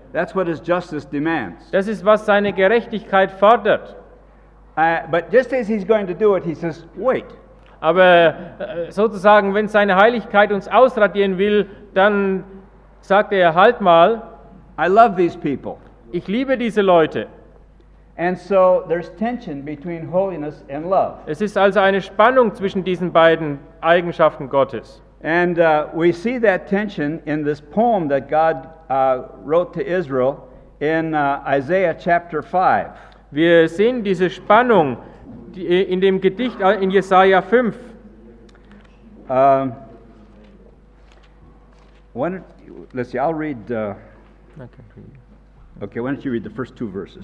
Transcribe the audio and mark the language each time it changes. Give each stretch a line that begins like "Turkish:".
English: That's what his justice demands.
German: Das ist, was seine Gerechtigkeit fordert.
English: But just as he's going to do it, he says, wait.
German: Aber sozusagen, wenn seine Heiligkeit uns ausradieren will, dann sagte halt mal,
English: I love these people.
German: Ich liebe diese Leute.
English: And so there's tension between holiness and love.
German: Es ist also eine Spannung zwischen diesen beiden Eigenschaften Gottes.
English: And we see that tension in this poem that God wrote to Israel in Isaiah chapter 5.
German: Wir sehen diese Spannung in dem Gedicht in Jesaja 5.
English: Let's see, I'll read, okay, why don't you read the first two verses.